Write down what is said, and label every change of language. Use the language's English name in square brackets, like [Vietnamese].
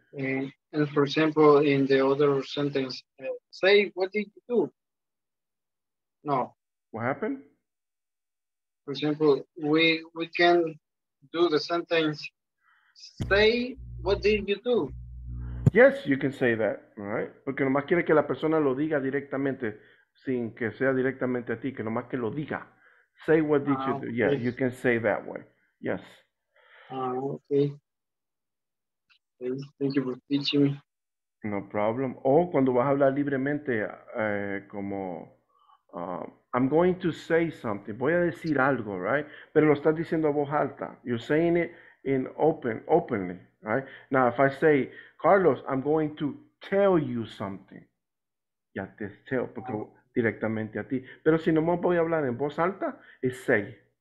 [English] And for example, in the other sentence, say, what did you do? No. What happened? For example, we can do the sentence, say, what did you do? Yes, you can say that, right? [Spanish] Porque nomás quiere que la persona lo diga directamente, sin que sea directamente a ti, que nomás que lo diga. [English] Say, what did you do? Yeah, you can say that way. Yes. Thank you for teaching me. No problem. [Spanish] O cuando vas a hablar libremente, como, [English] I'm going to say something. [Spanish] Voy a decir algo, right? Pero lo estás diciendo a voz alta. [English] You're saying it in openly, right? Now, if I say, Carlos, I'm going to tell you something. [Spanish] Ya te tell, porque directamente a ti. Pero si no me voy a hablar en voz alta, es say.